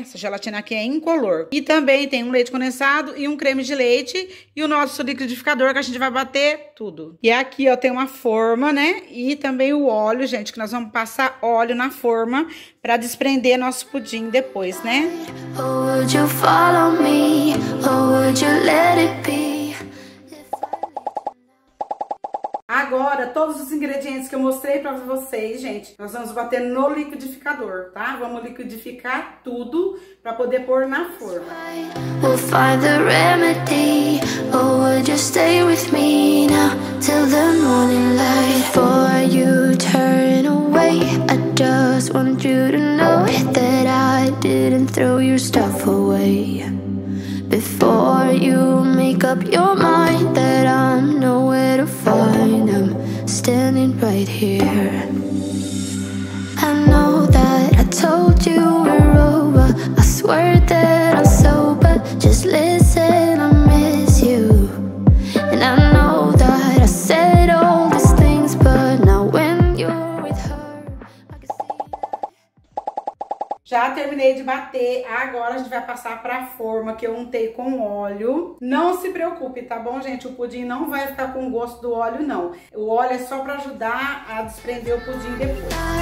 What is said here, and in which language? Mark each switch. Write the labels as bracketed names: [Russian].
[Portuguese] Essa gelatina aqui é incolor. E também tem 1 leite condensado e 1 creme de leite e o nosso liquidificador que a gente vai bater tudo. E aqui, ó, tem uma forma, né? E também o óleo, gente, que nós vamos passar óleo na forma pra desprender nosso pudim depois, né? [English] Would you follow me or would you let it be? [Portuguese] Agora, todos os ingredientes que eu mostrei pra vocês, gente, nós vamos bater no liquidificador, tá? Vamos liquidificar tudo pra poder pôr na forma. [English] We'll find the remedy or would you stay with me now till the morning light? Before you turn away, I just want you to know that I didn't throw your stuff away. Before you make up your mind that I'm nowhere to find, I'm standing right here. I know that I told you we're over, I swear that I'm sober, just listen, I miss you. And I know that I said all these things, but now when you're with her, I can see that. [Portuguese] Já terminei de bater, agora a gente vai passar pra forma que eu untei com óleo. Não se preocupe, tá bom, gente? O pudim não vai ficar com gosto do óleo, não. O óleo é só pra ajudar a desprender o pudim depois.